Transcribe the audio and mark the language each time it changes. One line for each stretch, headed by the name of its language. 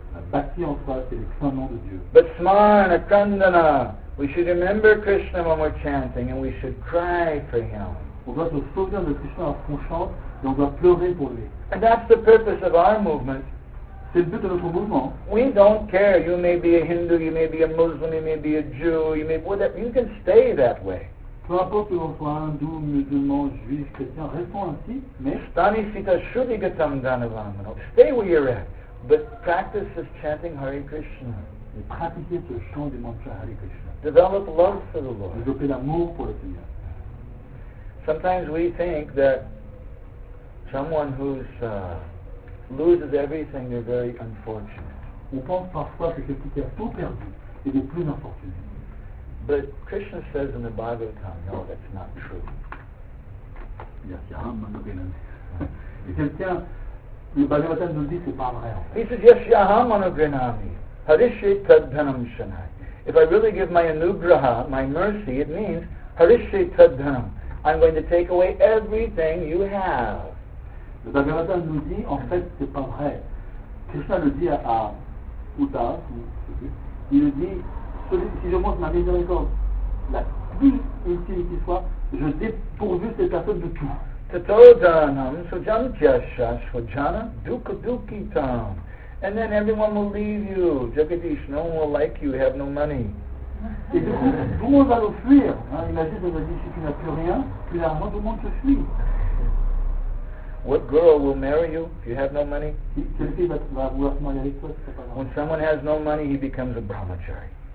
French: Bhakti en soi, c'est le saint nom de Dieu.
English: But Smarana Krandana, we should remember Krishna when we're chanting and we should cry for him.
French: On doit se souvenir de Krishna lorsqu'on chante et on doit pleurer pour lui.
English: And that's the purpose of our movement.
French: C'est le but de notre mouvement.
English: We don't care. You may be a Hindu, you may be a Muslim, you may be a Jew, you may whatever. You can stay that way.
French: Peu importe que l'on soit hindou, musulman, juif, chrétien, restons ainsi. Mais
Sanskrit: stani sita shuddhi gatam dhanavamana.
English: Stay where you're at, but practice this chanting Hare Krishna.
French: Et pratiquez ce chant du mantra Hare Krishna.
English: Develop love for the Lord.
French: Développez l'amour pour le Seigneur.
English: Sometimes we think that someone who's loses everything, they're very unfortunate.
French: On pense parfois que quelqu'un qui a tout perdu est le plus infortuné.
English: But Krishna says in the Bhagavatam, no, that's not true.
French: Et quelqu'un Le Bhagavatam nous dit que c'est pas vrai. En fait.
English: He says, yes,
Sanskrit: yaham anugrinami. Harishit tadhanam shanai.
English: If I really give my anugraha, my mercy, it means harishit tadhanam. I'm going to take away everything you have.
French: Le Bhagavatam nous dit, en fait, c'est pas vrai. Krishna le dit à Uddhav, il dit, si je montre ma miséricorde, la plus utile qui soit, je dépourvu ces personnes de tout.
Sanskrit: Tato dhanam sujam jasha sujana dukha dukitam.
English: And then everyone will leave you. Jagadish, no one will like you, you have no money.
French: Et du coup, tout le monde va nous fuir. Imagine, on a dit, si tu n'as plus rien, clairement tout le monde te fuit.
English: What girl will marry you if you have no money? When someone has no money, he becomes a brahmachari.